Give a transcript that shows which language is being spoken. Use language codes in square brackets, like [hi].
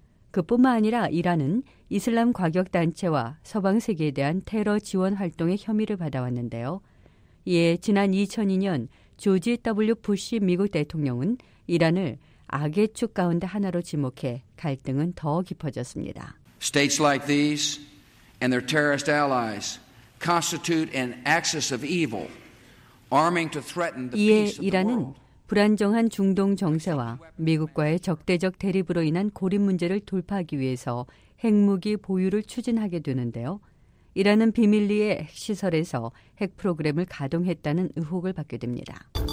[ko] 그뿐만 아니라 이란은 이슬람 과격단체와 서방 세계에 대한 테러 지원 활동의 혐의를 받아왔는데요. 이에 지난 2002년 조지 W. 부시 미국 대통령은 이란을 악의 축 가운데 하나로 지목해 갈등은 더 깊어졌습니다. [en] States like these and their terrorist allies constitute an axis of evil, arming to threaten the peace of the world. [ko] 이에 이란은 불안정한 중동 정세와 미국과의 적대적 대립으로 인한 고립 문제를 돌파하기 위해서 핵무기 보유를 추진하게 되는데요. 이란은 비밀리에 핵시설에서 핵 프로그램을 가동했다는 의혹을 받게 됩니다.